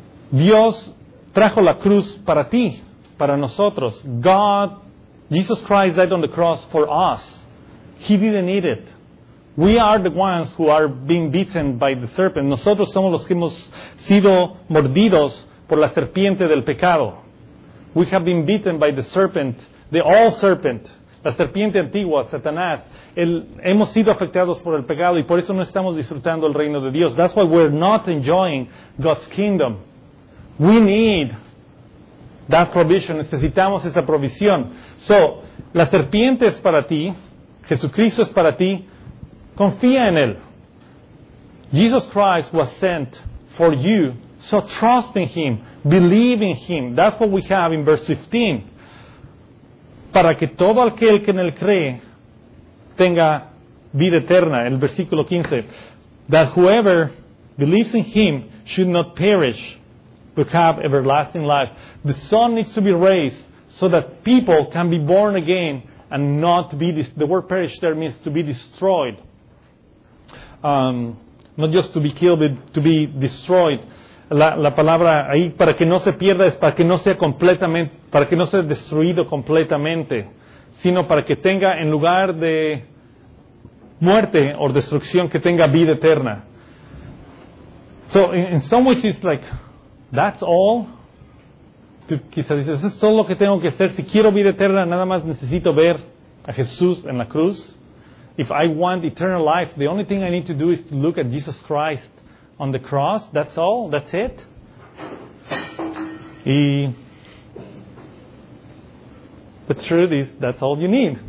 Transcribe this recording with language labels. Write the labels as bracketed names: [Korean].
[Spanish] Dios trajo la cruz para ti, para nosotros. [English] God, Jesus Christ died on the cross for us. He didn't need it. We are the ones who are being beaten by the serpent. [Spanish] Nosotros somos los que hemos sido mordidos por la serpiente del pecado. [English] We have been beaten by the serpent, the old serpent, [Spanish] la serpiente antigua, Satanás. Hemos sido afectados por el pecado y por eso no estamos disfrutando el reino de Dios. [English] That's why we're not enjoying God's kingdom. We need that provision. [Spanish] Necesitamos esa provisión. So, la serpiente es para ti. Jesucristo es para ti. Confía en Él. [English] Jesus Christ was sent for you. So trust in Him, believe in Him. That's what we have in verse 15. [Spanish] Para que todo aquel que en Él cree tenga vida eterna. El versículo 15. [English] That whoever believes in Him should not perish, but have everlasting life. The Son needs to be raised so that people can be born again and not be... The word perish there means to be destroyed. Not just to be killed, but to be destroyed. [Spanish] La palabra ahí, para que no se pierda, es para que no sea completamente, para que no sea destruido completamente, sino para que tenga, en lugar de muerte o destrucción, que tenga vida eterna. [English] So, in some ways it's like, that's all. [Spanish] Tú quizás dices, eso es todo lo que tengo que hacer. Si quiero vida eterna, nada más necesito ver a Jesús en la cruz. [English] If I want eternal life, the only thing I need to do is to look at Jesus Christ on the cross, that's all, that's it. Y the truth is, that's all you need.